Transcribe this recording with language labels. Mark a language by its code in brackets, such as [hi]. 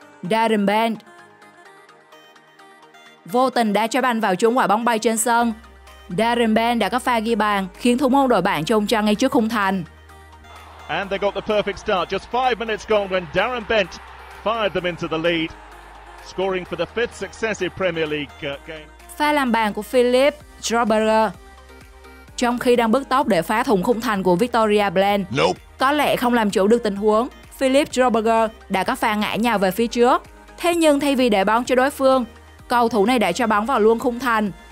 [vi] Darren Bent vô tình đá trái banh vào trúng quả bóng bay trên sân. Darren Bent đã có pha ghi bàn khiến thủ môn đội bạn chôn chân ngay trước khung thành. [en] And they got the perfect start. Just 5 minutes gone when Darren Bent fired them into the lead, scoring for the fifth successive Premier League game. [vi] Pha làm bàn của Philip Schroberger trong khi đang bứt tốc để phá thủng khung thành của Victoria Bland. [en] Nope. [vi] Có lẽ không làm chủ được tình huống, Philip Schroberger đã có pha ngã nhào về phía trước. Thế nhưng thay vì để bóng cho đối phương, cầu thủ này đã cho bóng vào luôn khung thành.